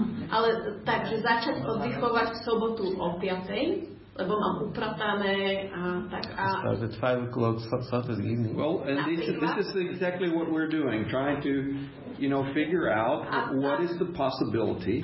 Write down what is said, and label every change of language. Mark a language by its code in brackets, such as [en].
[sk] Ale takže začať oddychovať v sobotu o 5. lebo mám upratané a tak a [en] at 5 o'clock Saturday evening. Well, and this is exactly what we're doing, trying to, you know, figure out what is the possibility.